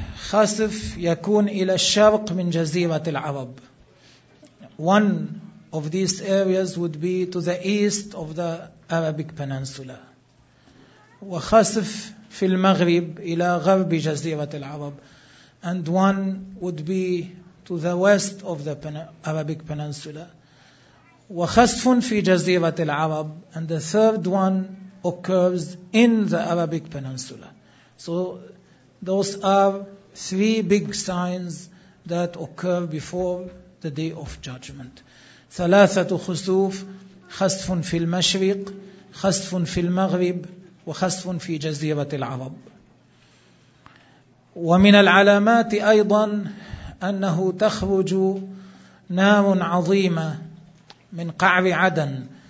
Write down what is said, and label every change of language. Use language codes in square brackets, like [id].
[ar] خسف يكون إلى الشرق من جزيرة العرب. [en] One of these areas would be to the east of the Arabic Peninsula. [ar] وخسف في المغرب إلى غرب جزيرة العرب. [en] And one would be to the west of the Arabic Peninsula. [ar] وخسف في جزيرة العرب. [en] And the third one occurs in the Arabic Peninsula. So those are three big signs that occur before the Day of Judgment. [ar] ثلاثة خسوف خسف في المشرق خسف في المغرب وخسف في جزيرة العرب. ومن العلامات أيضا أنه تخرج نار عظيمة من قعر عدن.